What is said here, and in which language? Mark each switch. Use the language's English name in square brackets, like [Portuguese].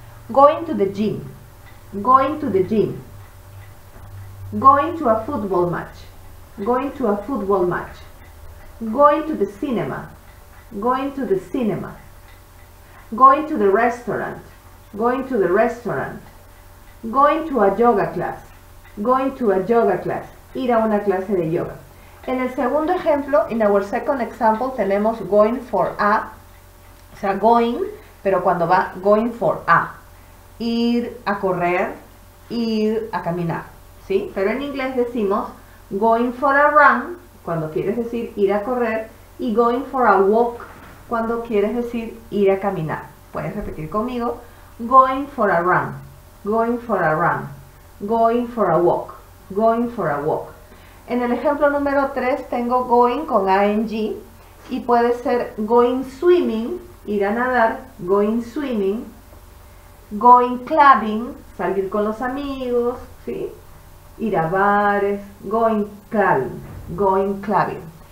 [English] Going to the gym, going to the gym, going to a football match, going to a football match, going to the cinema, going to the cinema, going to the restaurant, going to the restaurant, going to a yoga class, going to a yoga class, [Spanish] ir a una clase de yoga. En el segundo ejemplo, [English] in our second example, [Spanish] tenemos [English] going for a, [Spanish] o sea, going, pero cuando va, going for a, ir a correr, ir a caminar, ¿sí? Pero en inglés decimos [English] going for a run, [Spanish] cuando quieres decir ir a correr, y [English] going for a walk, [Spanish] cuando quieres decir ir a caminar. Puedes repetir conmigo. [English] Going for a run, going for a run, going for a walk, going for a walk. [Spanish] En el ejemplo número 3 tengo going con ing y puede ser [English] going swimming, [Spanish] ir a nadar, going swimming, [English] going clubbing, [Spanish] salir con los amigos, ¿sí? Ir a bares, [English] going clubbing, going clubbing.